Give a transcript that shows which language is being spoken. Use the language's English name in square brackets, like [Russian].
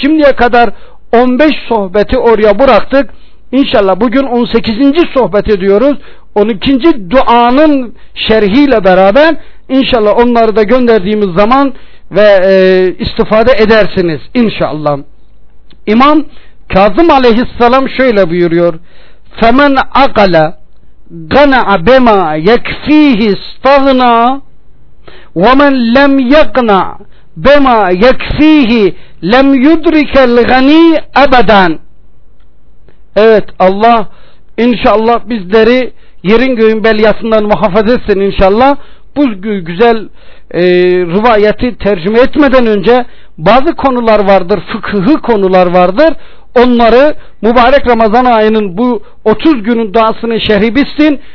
[Turkish] Şimdiye kadar 15 sohbeti oraya bıraktık. İnşallah bugün 18. sohbet ediyoruz. 12. duanın şerhiyle beraber inşallah onları da gönderdiğimiz zaman ve istifade edersiniz inşallah. İmam Kazım aleyhisselam şöyle buyuruyor: [Arabic] فَمَنْ اَقَلَ قَنَعَ بَمَا يَكْفِيهِ اسْتَغْنَى وَمَنْ لَمْ يَقْنَعْ بَمَا يَكْفِيهِ لَمْ يُدْرِكَ الْغَن۪ي أَبَدًا. [Turkish] Evet, Allah inşallah bizleri yerin göğün belyasından muhafaza etsin inşallah. Bu güzel rivayeti tercüme etmeden önce bazı konular vardır, fıkıhı konular vardır. Onları mübarek Ramazan ayının bu 30 günün duasının şerhi bitsin.